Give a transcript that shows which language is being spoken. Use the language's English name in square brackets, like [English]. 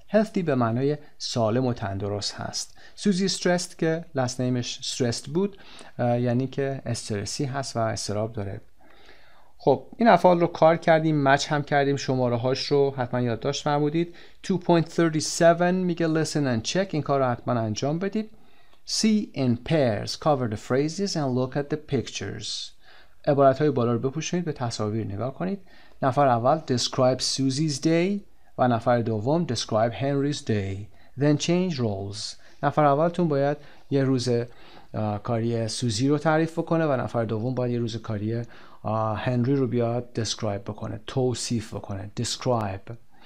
[Persian] healthy به معنای سالم و تندرست هست. سوزی استرست که last name‌اش استرست بود یعنی که استرسی هست و استراب داره. خب این افعال رو کار کردیم، مچ هم کردیم، شماره هاش رو حتما یادداشت فرمودید. 2.37 میگه [English] listen and check، [Persian] این کار رو حتما انجام بدید. [English] See in pairs, cover the phrases and look at the pictures. [Persian] عبارت های بالا رو بپوشونید، به تصاویر نگاه کنید. نفر اول [English] describe Susie's day [Persian] و نفر دوم [English] describe Henry's day. Then change roles. [Persian] نفر اولتون باید یه روز کاری سوزی رو تعریف بکنه و نفر دوم باید یه روز کاری هنری رو بیاد describe بکنه، توصیف بکنه، describe.